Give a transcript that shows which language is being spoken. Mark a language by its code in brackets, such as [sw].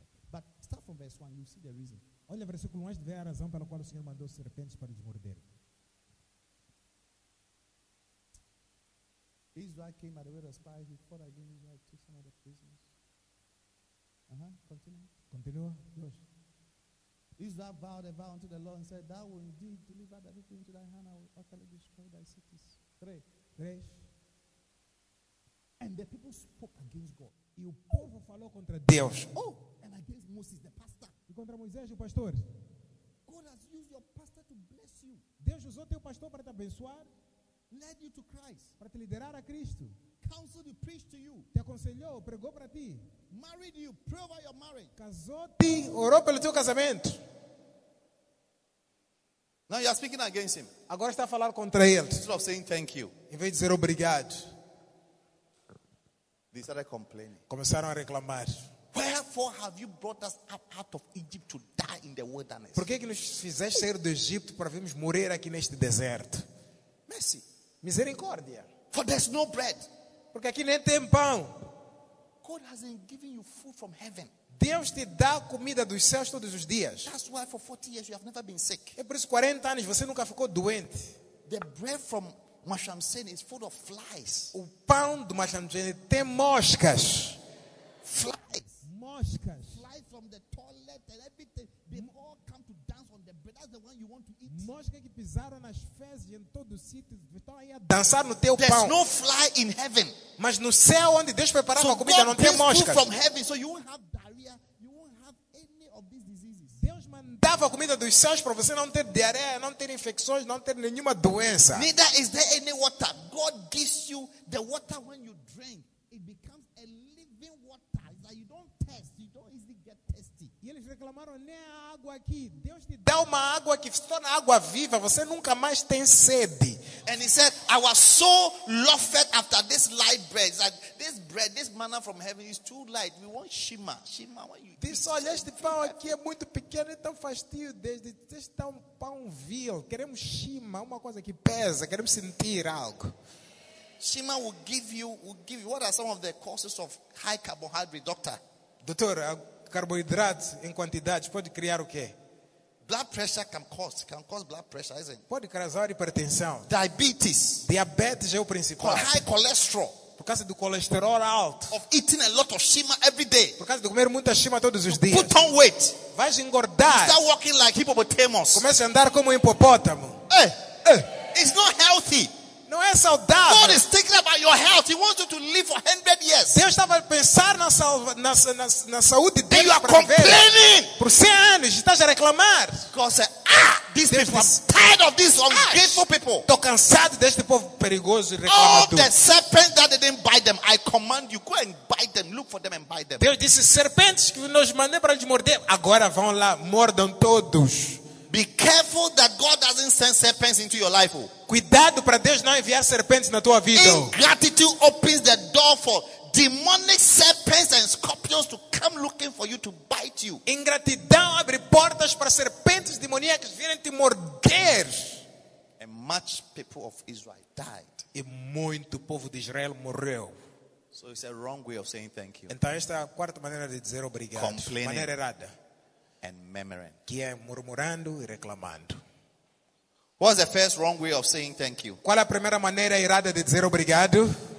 [en] But start from verse 1, you see the reason. [pt] Olha versículo 1, a gente vê a razão pela qual o Senhor mandou serpentes para lhes morder. [en] Israel came by the way of spies. He fought again Israel, took some of the prisoners. Continue. Yes. Israel vowed a vow unto the Lord and said, Thou will indeed deliver the people into thy hand, I will utterly destroy thy cities. [pt] Três. [en] And the people spoke against God. [pt] E o povo falou contra Deus. [en] Oh, and against Moses, the pastor. [pt] E contra Moisés, o pastor. [en] God has used your pastor to bless you. [pt] Deus usou teu pastor para te abençoar. [en] Led you to Christ. [pt] Para te liderar a Cristo. [en] Counseled you, preached to you. [pt] Te aconselhou, pregou para ti. [en] Married you, prayed over your marriage. [pt] Casou-te, orou pelo teu casamento. [en] Now you are speaking against him. [pt] Agora está a falar contra ele. [en] Instead of saying thank you. [pt] Em vez de dizer obrigado. [en] They started complaining. [pt] Começaram a reclamar. [en] Wherefore have you brought us up out of Egypt to die in the wilderness? [pt] Por que nos fizeste sair do Egito para virmos morrer aqui neste deserto? [en] Mercy. [pt] Misericórdia. [en] For there's no bread. [pt] Porque aqui nem tem pão. [en] God hasn't given you food from heaven. [pt] Deus te dá comida dos céus todos os dias. [en] That's why for 40 years you have never been sick. [pt] É por isso 40 anos você nunca ficou doente. [en] The bread from Mashamsene is full of flies. [pt] O pão do Mashamsene tem moscas. [en] Flies. [pt] Moscas. [en] Flies from the toilet and everything. They all come to dance on the bread. That's the one you want to eat. [pt] Moscas que pisaram nas fezes em todo o sítio estão aí a dançar no teu [en] There's [pt] pão. [en] There's no fly in heaven. [pt] Mas no céu onde Deus preparava [en] so [pt] a comida [en] God [pt] não tem moscas. [en] From heaven, so you won't have diarrhea. You won't have any of these diseases. [pt] Deus mandava a comida dos céus para você não ter diarreia, não ter infecções, não ter nenhuma doença. [en] Neither is there any water. God gives you the water when you drink. It becomes a living water that you don't thirst. You don't easily get thirsty. [pt] E eles reclamaram, nem a água aqui. Deus te dá uma água que se torna água viva. Você nunca mais tem sede. [en] And he said, I was so loved after this light bread. Like, this bread, this manna from heaven is too light. We want shimmer. Shimmer, when you [pt] diz, olha, este pão aqui é muito pequeno e tão fastio. Desde este um pão vil. Queremos shimmer, uma coisa que pesa. Queremos sentir algo. [en] Shima will give you, what are some of the causes of high carbohydrate, doctor? [pt] Doutor, carboidratos em quantidade pode criar o quê? [en] Blood pressure can cause blood pressure, isn't it? [pt] Pode causar hipertensão. [en] Diabetes. [pt] Diabetes é o principal. [en] High cholesterol. [pt] Por causa do colesterol alto. [en] Of eating a lot of shima every day. [pt] Por causa de comer muita shima todos os dias. [en] Put on weight. [pt] Vai engordar. [en] Start walking like hippopotamus. [pt] Comece a andar como um hipopótamo. [en] It's not healthy. [pt] Não é saudável. [en] God is thinking about your health. He wants you to live for 100 years. [pt] Deus estava a pensar na saúde dele. [en] And you are complaining. [pt] Por 100 anos, estás a reclamar. [en] God said, these people, I'm tired of these ungrateful people. [pt] Estou cansado deste povo perigoso e reclamador. [en] All the serpents that they didn't bite them, I command you, go and bite them, look for them and bite them. [pt] Deus disse, serpentes que nos mandei para lhes morder, agora vão lá, mordam todos. [en] Be careful that God doesn't send serpents into your life. [pt] Cuidado para Deus não enviar serpentes na tua vida. [en] Ingratitude opens the door for demonic serpents and scorpions to come looking for you to bite you. [pt] Ingratidão abre portas para serpentes demoníacas virem te morder. [en] And much people of Israel died. [pt] E muito povo de Israel morreu. [en] So it's a wrong way of saying thank you. [pt] Então esta é a quarta maneira de dizer obrigado. [en] Complaining. [pt] Maneira errada. [en] And murmuring. [pt] Que é murmurando e reclamando. [en] What's the first wrong way of saying thank you? [pt] Qual é a primeira maneira errada de dizer obrigado?